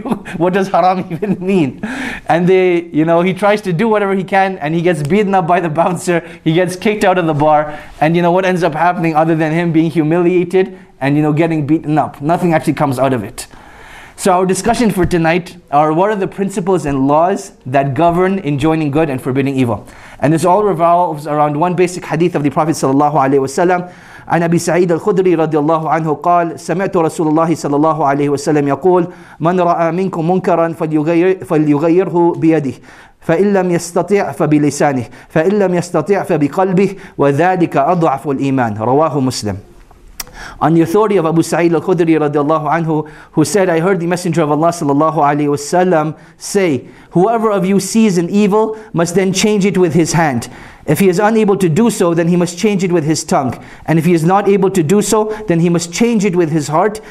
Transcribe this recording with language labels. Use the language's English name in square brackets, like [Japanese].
[English] What does haram even mean? And they, you know, he tries to do whatever he can, and he gets beaten up by the bouncer, he gets kicked out of the bar, and you know what ends up happening other than him being humiliated and, you know, getting beaten up? Nothing actually comes out of it. So our discussion for tonight are, what are the principles and laws that govern enjoining good and forbidding evil? And this all revolves around one basic hadith of the Prophet sallallahu alaihi wasallam. [Arabic] عن أبي سعيد الخدري رضي الله عنه قال سمعت رسول الله صلى الله عليه وسلم يقول من رأى منكم منكرا فليغيره بيده فإن لم يستطع فبلسانه فإن لم يستطع فبقلبه وذلك أضعف الإيمان رواه مسلم. [English] On the authority of Abu Sa'id al-Khudri radiallahu anhu, who said, I heard the Messenger of Allah sallallahu alayhi wasallam say, whoever of you sees an evil must then change it with his hand. If he is unable to do so, then he must change it with his tongue. And if he is not able to do so, then he must change it with his heart.